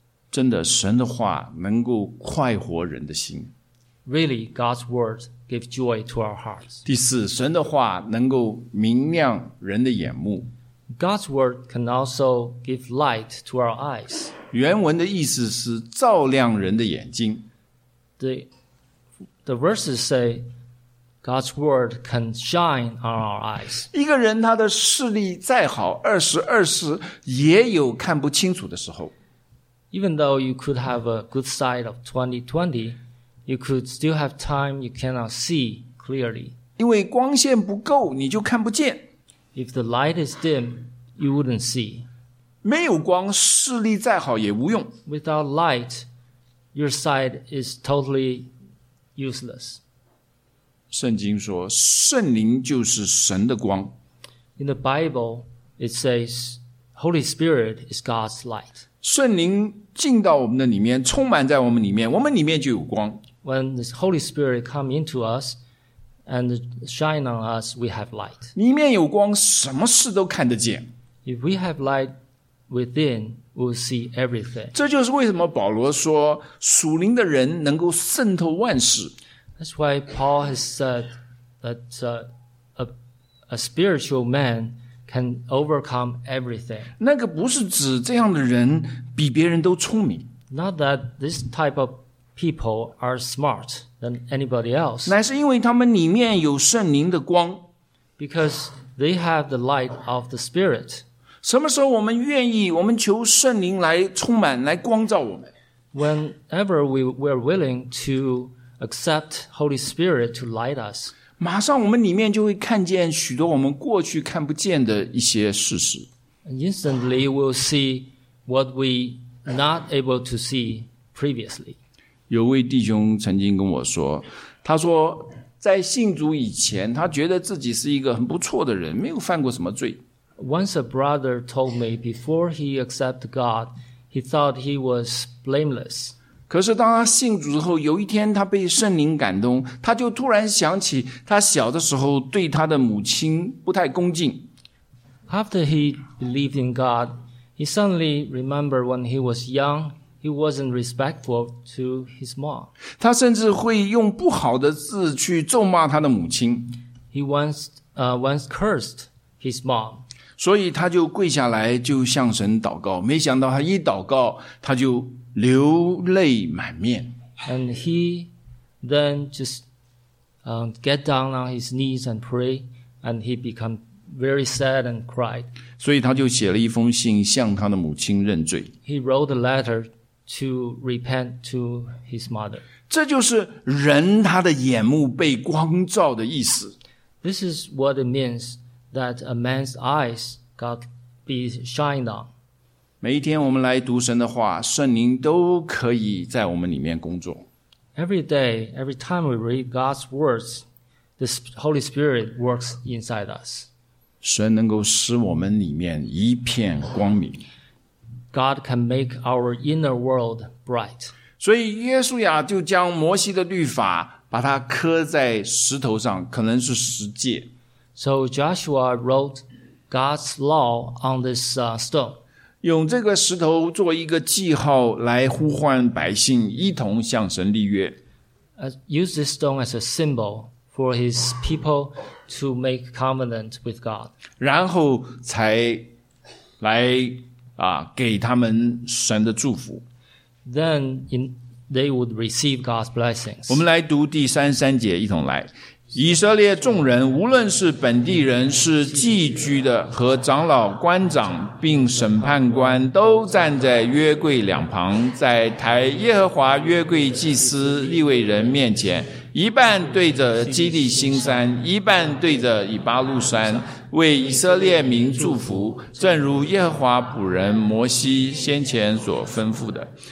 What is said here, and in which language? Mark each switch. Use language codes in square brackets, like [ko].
[zh] 真的，神的话能够快活人的心。 [en] Really, God's word gives joy to our hearts. [zh] 第四，神的话能够明亮人的眼目。 [en] God's word can also give light to our eyes. [zh] 原文的意思是照亮人的眼睛。 [en] The verses say, God's word can shine on our eyes. [zh] 一个人他的视力再好，二十二十也有看不清楚的时候。 [en] Even though you could have a good sight of 20/20, you could still have time you cannot see clearly. [zh] 因为光线不够，你就看不见。 [en] If the light is dim, you wouldn't see. [zh] 没有光，视力再好也无用。 [en] Without light, your sight is totally useless. [zh] 圣经说，圣灵就是神的光。 [en] In the Bible, it says, Holy Spirit is God's light. [zh] 圣灵进到我们的里面，充满在我们里面，我们里面就有光。 [en] When the Holy Spirit comes into us and shine on us, we have light. [zh] 里面有光，什么事都看得见。 [en] If we have light within, we'll see everything. [zh] 这就是为什么保罗说，属灵的人能够渗透万事。 [en] That's why Paul has said that a spiritual man. Can overcome everything. [zh] 那个不是指这样的人比别人都聪明。 [en] Not that this type of people are smart than anybody else. [zh] 乃是因为他们里面有圣灵的光。 [en] Because they have the light of the Spirit. [zh] 什么时候我们愿意，我们求圣灵来充满，来光照我们。 [en] Whenever we are willing to accept Holy Spirit to light us. [zh] 马上我们里面就会看见许多我们过去看不见的一些事实。 [en] Instantly we'll see what we not able to see previously. [zh] 有位弟兄曾经跟我说，他说在信主以前，他觉得自己是一个很不错的人，没有犯过什么罪。 [en] Once a brother told me before he accepted God, he thought he was blameless. [zh] 可是当他信主之后，有一天他被圣灵感动，他就突然想起他小的时候对他的母亲不太恭敬。 [en] After he believed in God, he suddenly remembered when he was young, he wasn't respectful to his mom. [zh] 他甚至会用不好的字去咒骂他的母亲。 [en] He once cursed his mom. [zh] 所以他就跪下来就向神祷告，没想到他一祷告他就流泪满面。 [en] And he then just get down on his knees and pray, and he become very sad and cried. [zh] 所以他就写了一封信向他的母亲认罪。 [en] He wrote a letter to repent to his mother. [zh] 这就是人他的眼目被光照的意思。 [en] This is what it means that a man's eyes got be shined on. [zh] 每一天我们来读神的话，圣灵都可以在我们里面工作。 [en] Every day, every time we read God's words, the Holy Spirit works inside us. [zh] 神能够使我们里面一片光明。 [en] God can make our inner world bright. [zh] 所以约书亚就将摩西的律法把它刻在石头上，可能是十诫。 [en] So Joshua wrote God's law on this stone. [zh] 用这个石头做一个记号来呼唤百姓一同向神立约。 [en] Use this stone as a symbol for his people to make covenant with God. [zh] 然后才来给他们神的祝福。 [en] Then they would receive God's blessings. [zh] 我们来读第三十三节一同来。以色列众人无论是本地人是寄居的和长老官长并审判官都站在约柜两旁在抬耶和华约柜祭司利未人面前一半对着基利新山一半对着以巴路山为以色列民祝福正如耶和华仆人摩西先前所吩咐的